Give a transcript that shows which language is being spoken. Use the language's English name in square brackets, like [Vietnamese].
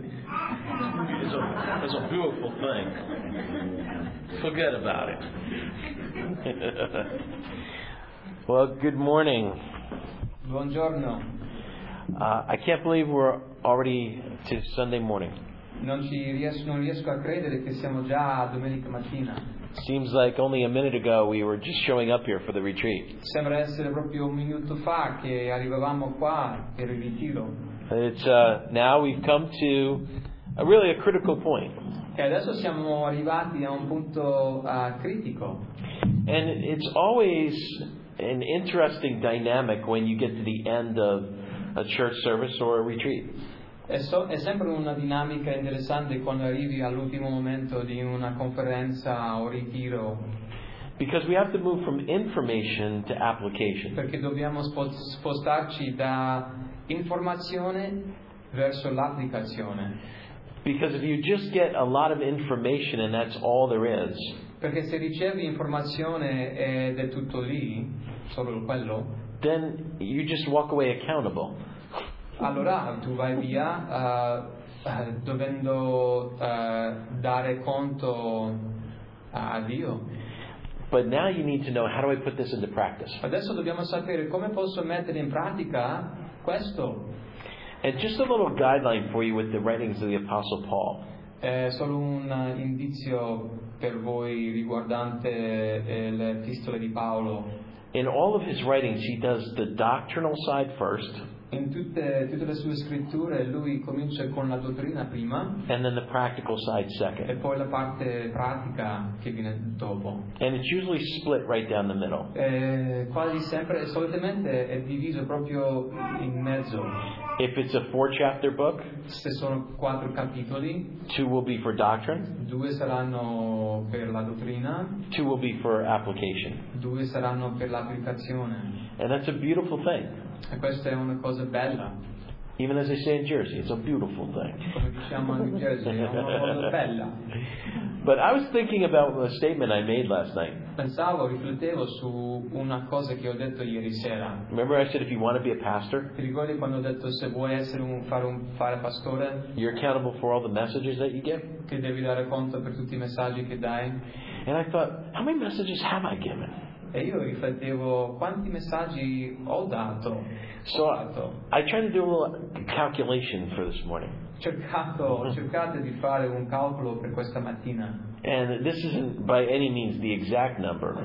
[English] It's a beautiful thing. Forget about it. Well, good morning. [Italian] Buongiorno. [English] I can't believe we're already to Sunday morning. [Italian] Non riesco a credere che siamo già domenica mattina. [English] Seems like only a minute ago we were just showing up here for the retreat. [Italian] Sembra essere proprio un minuto fa che arrivavamo qua per il ritiro. [English] Now we've come to a really a critical point. [Italian] E adesso siamo arrivati a un punto critico. [English] And it's always an interesting dynamic when you get to the end of a church service or a retreat. [Italian] È sempre una dinamica interessante quando arrivi all'ultimo momento di una conferenza o ritiro. [English] Because we have to move from information to application. [Italian] Perché dobbiamo spostarci da informazione verso l'applicazione. [English] Because if you just get a lot of information and that's all there is. [Italian] Perché se ricevi informazione ed è tutto lì, solo quello. [English] Then you just walk away accountable. [Italian] Allora tu vai via dovendo dare conto a Dio. [English] But now you need to know, how do I put this into practice? [Italian] Adesso dobbiamo sapere come posso mettere in pratica questo. [English] And just a little guideline for you with the writings of the Apostle Paul. [Italian] Solo un indizio per voi riguardante le epistole di Paolo. [English] In all of his writings, he does the doctrinal side first. [Italian] In tutte le sue scritture lui comincia con la dottrina prima, [English] and then the practical side second. [Italian] E poi la parte pratica che viene dopo. [English] And it's usually split right down the middle. [Italian] Quasi sempre, solitamente è diviso proprio in mezzo. [English] If it's a four chapter book, [Italian] se sono quattro capitoli, [English] two will be for doctrine, [Italian] due saranno per la dottrina, [English] two will be for application, [Italian] due saranno per l'applicazione. [English] And that's a beautiful thing. [Italian] E questa è una cosa bella. [English] Even as they say in Jersey, it's a beautiful thing. But I was thinking about a statement I made last night. [Italian] Pensavo, riflettevo su una cosa che ho detto ieri sera. [English] Remember I said if you want to be a pastor? [Italian] Ti ricordi quando ho detto se vuoi essere fare pastore? [English] You're accountable for all the messages that you get. [Italian] Che devi dare conto per tutti i messaggi che dai. [English] And I thought, how many messages have I given? [Italian] E io riflettevo quanti messaggi ho dato. [English] So I tried to do a little calculation for this morning. [Italian] Cercate di fare un calcolo per questa mattina. [English] And this isn't by any means the exact number.